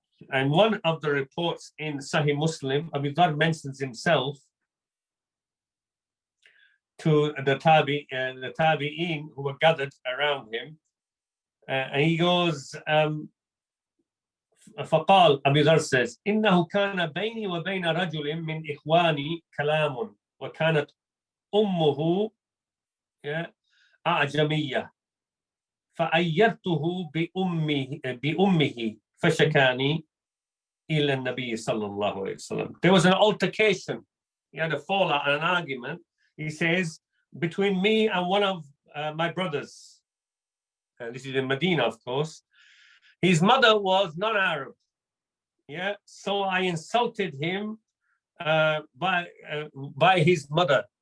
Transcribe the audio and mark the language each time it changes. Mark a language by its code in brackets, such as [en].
[en] And one of the reports in Sahih Muslim, Abu Dharr mentions himself to the Tabi'een who were gathered around him. And he goes, [ar] فقال, [en] Abu Dharr says, [ar] إِنَّهُ كَانَ بَيْنِي وَبَيْنَ رَجُلٍ مِّنْ إِخْوَانِي كَلَامٌ وَكَانَتْ أُمُّهُ أَعْجَمِيَّةٌ فَأَيَّرْتُهُ بِأُمِّهِ فَشَكَانِي إِلَى النَّبِيِّ صَلَّى اللَّهُ عَلَيْهِ وَسَلَّمَ. [en] There was an altercation. He had a fallout and an argument. He says, between me and one of my brothers, this is in Medina, of course, his mother was non-Arab, yeah? So I insulted him by his mother.